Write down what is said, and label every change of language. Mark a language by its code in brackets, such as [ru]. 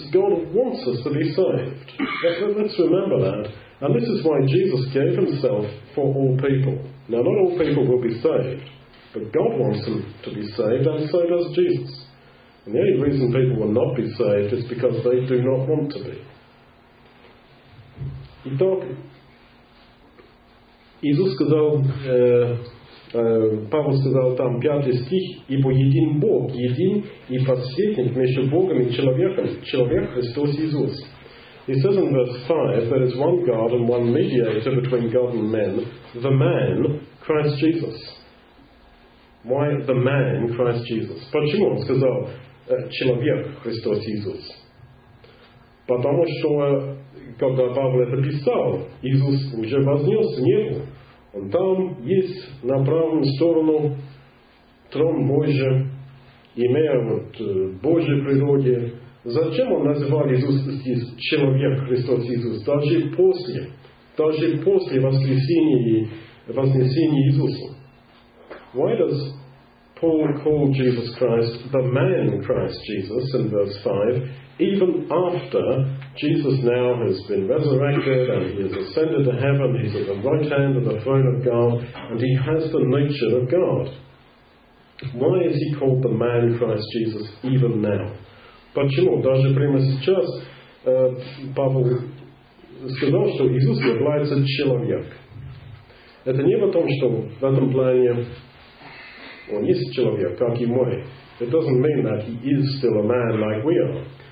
[en] God wants us to be saved. Let's remember that. And this is why Jesus gave himself for all people. Now, not all people will be saved, but God wants them to be saved, and so does Jesus. And the only reason people will not be saved is because they do not want to be. [ru] Итак, Иисус сказал, Павел сказал там пятый стих, ибо един Бог, един и посредник между Богом и человеком, человек Христос Иисус. [en] He says in verse 5, there is one God and one mediator between God and men, the man, Christ Jesus. Why the man, Christ Jesus? [ru] Почему он сказал человек, Христос Иисус? Потому что, когда Павел это писал, Иисус уже вознесся в небо. Он там есть на правую сторону трон Божий, имея вот Божью природу. Зачем он называл Иисуса здесь человек, Христос Иисус, даже после воскресения и вознесения Иисуса? [en] Why does Paul call Jesus Christ the man Christ Jesus in verse 5, even after Jesus now has been resurrected and he has ascended to heaven, he's at the right hand of the throne of God, and he has the nature of God? Why is he called the man Christ Jesus even now? [ru] Почему? Даже прямо сейчас Павел сказал, что Иисус является человек. Это не о том, что в этом плане он есть человек, как и мой. [en] It doesn't mean that he is still a man like we are.